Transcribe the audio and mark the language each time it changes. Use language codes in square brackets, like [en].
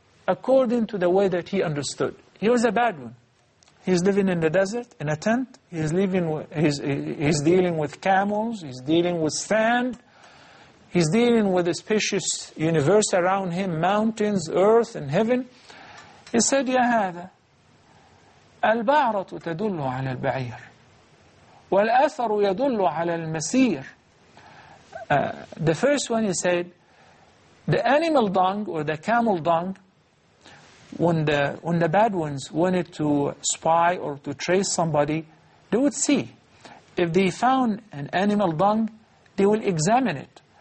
[en] according to the way that he understood. He was a Bedouin. He's living in the desert, in a tent. He's dealing with camels. He's dealing with sand. He's dealing with a spacious universe around him, mountains, earth, and heaven. He said, [ar] يا هذا البعرة تدل على البعير والأثر يدل على المسير. [en] The first one he said, the animal dung or the camel dung, when the bad ones wanted to spy or to trace somebody, they would see. If they found an animal dung, they will examine it.